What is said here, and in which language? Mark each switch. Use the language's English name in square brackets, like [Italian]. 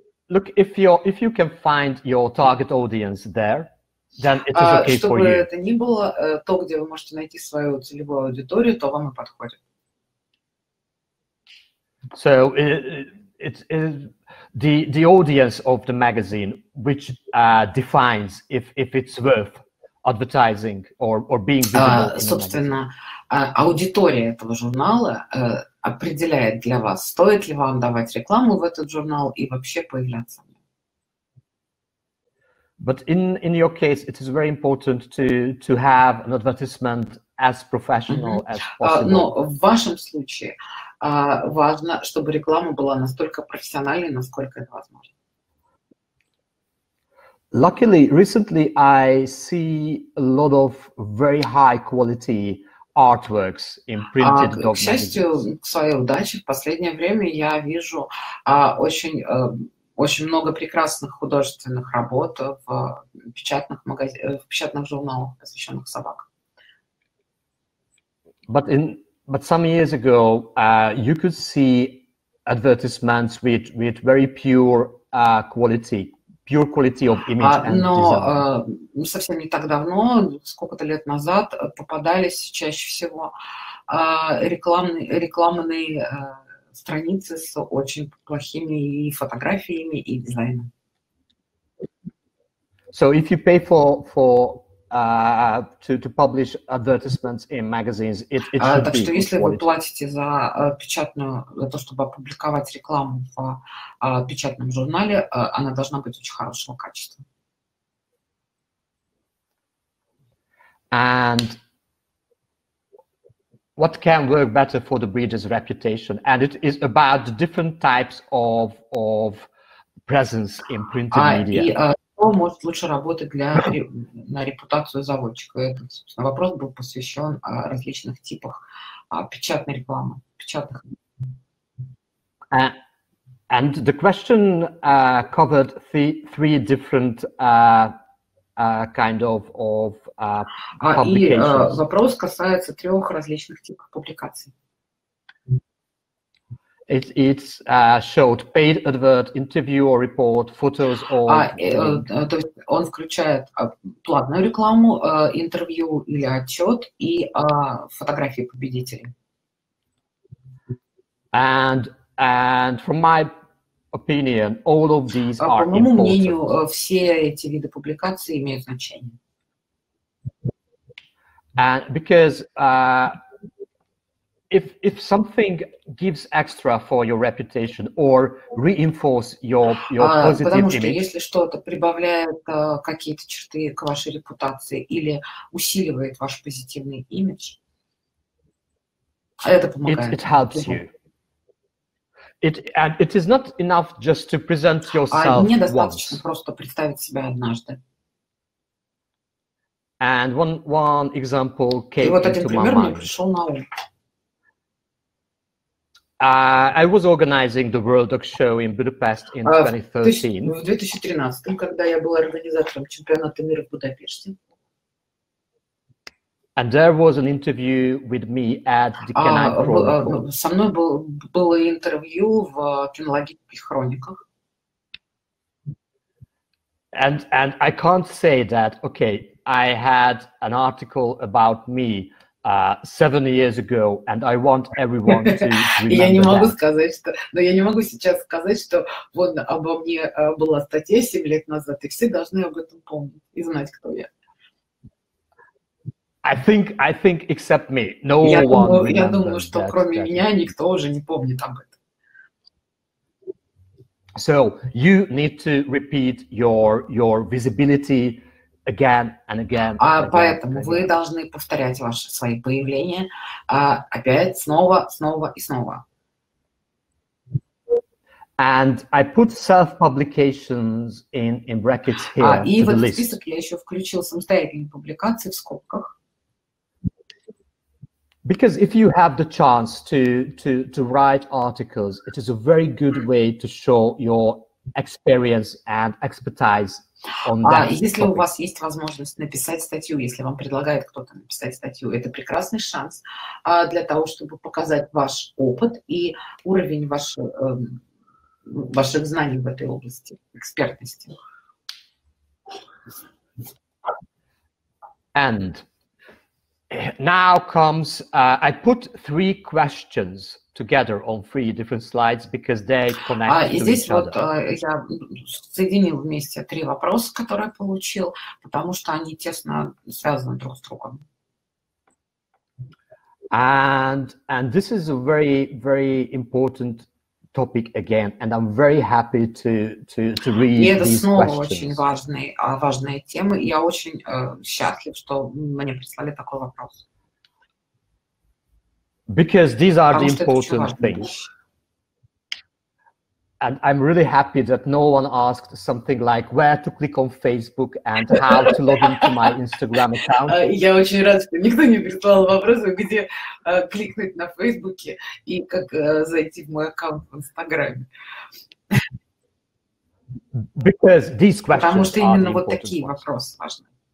[English] Look, if you can find your target audience there, then it is okay for you. [Russian] Чтобы это ни было, то, где вы можете найти свою целевую аудиторию, то вам и подходит. [English] So the audience of the magazine, which defines if it's worth advertising or being visible. [Russian] Собственно, аудитория этого журнала определяет для вас, стоит ли вам давать рекламу в этот журнал и вообще появляться. [English] But in your case, it is very important to have an advertisement as professional mm-hmm. as possible. [Russian] Но в вашем случае. Важно, чтобы реклама была настолько профессиональной, насколько это возможно. [English] Luckily, recently I see a lot of very high quality artworks in printed documents. [Russian] К счастью, к своей удаче, в последнее время я вижу очень много прекрасных художественных работ в печатных журналах, посвященных собакам. [English] But some years ago, you could see advertisements with very pure quality of image and design. [Russian] Но совсем не так давно, сколько-то лет назад, попадались чаще всего рекламные страницы с очень плохими и фотографиями, и дизайном. [English] So if you pay for to publish advertisements in magazines, it should be. [Russian] Так что если вы платите за печатную, за то, чтобы опубликовать рекламу в печатном журнале, она должна быть очень хорошего качества. [English] And what can work better for the breeder's reputation? And it is about the different types of presence in printed media. [Russian] Может лучше работать на репутацию заводчика. Этот, собственно, вопрос был посвящен различных типах печатной рекламы, печатных. [English] And the question covered three different kind of publications. [Russian] Вопрос касается трех различных типов публикаций. [English] It's showed paid advert, interview or report, photos or. [Russian] То есть он включает платную рекламу, интервью или отчет и фотографии победителей. [English] And from my opinion, all of these are [Russian] По моему мнению, все эти виды публикаций имеют значение. [English] And because. If something gives extra for your reputation or reinforce your positive image. [Russian] Потому что если что-то прибавляет какие-то черты к вашей репутации или усиливает ваш позитивный имидж, это помогает. [English] It helps you. It is not enough just to present yourself once. [Russian] Недостаточно просто представить себя однажды. [English] And one example came [Russian] вот [English] into my mind. I was organizing the World Dog Show in Budapest in 2013. [Russian] В 2013-м, когда я была организатором чемпионата мира в Будапеште. [English] And there was an interview with me at the Canine Chronicle. [Russian] Со мной было интервью в кинологических хрониках. [English] And I can't say that, okay, I had an article about me 7 years ago, and I want everyone to remember. [Russian] Я не могу сказать, что, но я не могу сейчас сказать, что вот обо мне была статья 7 лет назад, и все должны об этом помнить и знать, кто я. [English] I think except me, no [Russian] я [English] one. [Russian] Я думаю, что that, кроме that. Меня никто уже не помнит об этом. [English] So you need to repeat your visibility again and again. [Russian] А поэтому вы должны повторять ваши свои появления опять снова, снова и снова. [English] And I put self-publications in brackets here. [Russian] И в этот список я еще включил самостоятельные публикации в скобках. [English] Because if you have the chance to write articles, it is a very good way to show your experience and expertise on that. [Russian] Если у вас есть возможность написать статью, если вам предлагает кто-то написать статью, это прекрасный шанс для того, чтобы показать ваш опыт и уровень ваших знаний в этой области, экспертности. [English] And now comes, I put 3 questions together on 3 different slides because they connect to each other. [Russian] Вот, я соединил вместе 3 вопроса, которые получил, потому что они тесно связаны друг с другом. [English] And this is a very, very important topic again, and I'm very happy to read these questions. [Russian] И это снова очень важная тема, и я очень счастлив, что мне прислали такой вопрос. [English] Because these are the important things. And I'm really happy that no one asked something like where to click on Facebook and how to log into my Instagram account. [Russian] Я очень рад, что никто не прислал вопрос, где кликнуть на Фейсбуке и как зайти в мой аккаунт в Инстаграме. [English] Because these questions [Russian] Потому что именно вот такие вопросы важны.